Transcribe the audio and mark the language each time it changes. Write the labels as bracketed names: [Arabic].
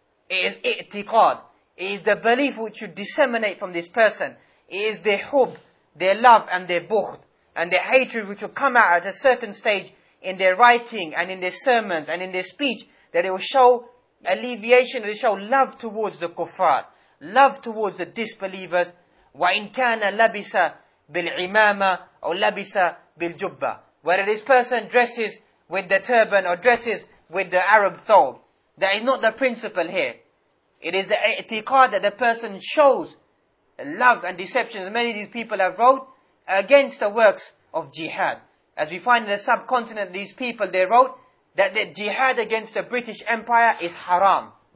[English] It is i'tiqad. It is the belief which you disseminate from this person. It is their hub, their love and their bukht, and their hatred which will come out at a certain stage in their writing and in their sermons and in their speech, that it will show alleviation, it will show love towards the kuffar. love towards the disbelievers, [Arabic] وَإِنْ كَانَ لَبِسَ بِالْعِمَامَ أَوْ لَبِسَ بِالْجُبَّةِ. [English] Whether this person dresses with the turban or dresses with the Arab thobe, that is not the principle here. It is the i'tiqad that the person shows love and deception, as many of these people have wrote, against the works of jihad. As we find in the subcontinent, these people, they wrote that the jihad against the British Empire is haram.